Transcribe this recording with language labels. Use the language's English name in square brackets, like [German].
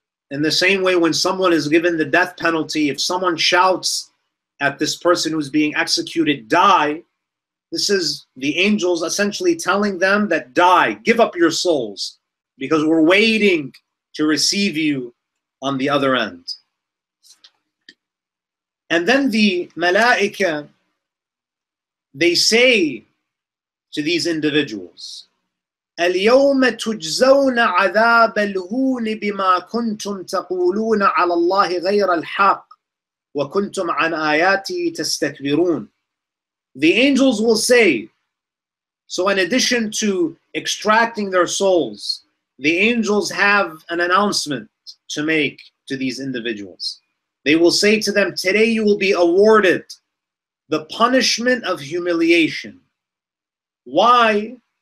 [English] In the same way, when someone is given the death penalty, if someone shouts at this person who's being executed, die, this is the angels essentially telling them that die, give up your souls, because we're waiting to receive you on the other end. And then the malaika, they say to these individuals, [Arabic] الْيَوْمَ تُجْزَوْنَ عَذَابَ الْهُونِ بِمَا كُنْتُمْ تَقُولُونَ عَلَى اللَّهِ غَيْرَ الْحَقِّ وَكُنْتُمْ عَنْ آيَاتِي تَسْتَكْبِرُونَ. [English] The angels will say, so in addition to extracting their souls, the angels have an announcement to make to these individuals. They will say to them, today you will be awarded the punishment of humiliation. Why?